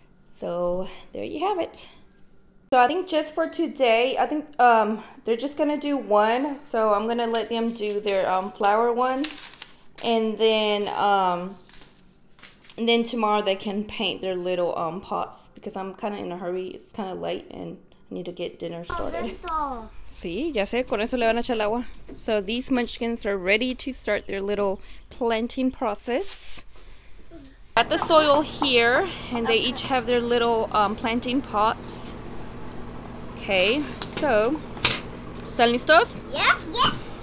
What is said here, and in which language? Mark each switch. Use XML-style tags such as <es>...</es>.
<en>So there you have it. So I think just for today, I think they're just going to do one. So I'm going to let them do their flower one. And then tomorrow they can paint their little pots, because I'm kind of in a hurry. It's kind of late and I need to get dinner started.</en> <es>Sí, ya sé, con eso le van a echar el agua.</es> <en>So these munchkins are ready to start their little planting process. Got the soil here, and they each have their little planting pots.</en> <es>Okay, so, ¿están listos?</es> <en>Yeah, yes.</en>